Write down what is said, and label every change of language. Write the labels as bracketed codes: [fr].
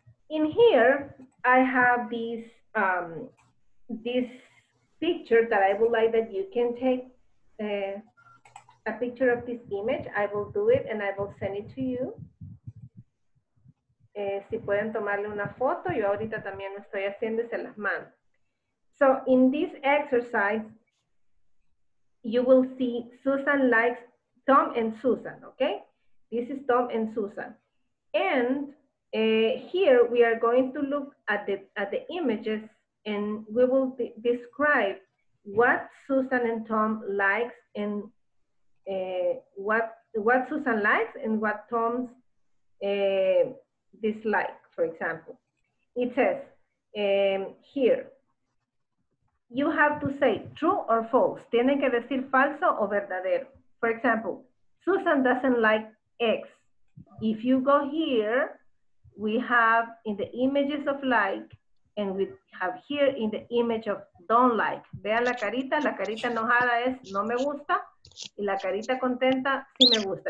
[en] in here, I have this this picture that I would like that you can take a picture of this image. I will do it and I will send it to you. [es] Si pueden tomarle una foto, yo ahorita también lo estoy haciendo, se las mando. [en] So in this exercise, you will see Susan likes Tom and Susan, okay? This is Tom and Susan. And here we are going to look at the images and we will describe what Susan and Tom likes and what Susan likes and what Tom dislikes, for example. It says here, you have to say true or false. [es] Tiene que decir falso o verdadero. [en] For example, Susan doesn't like eggs. If you go here, we have in the images of like, and we have here in the image of don't like. [es] Vean la carita enojada es no me gusta, y la carita contenta sí me gusta.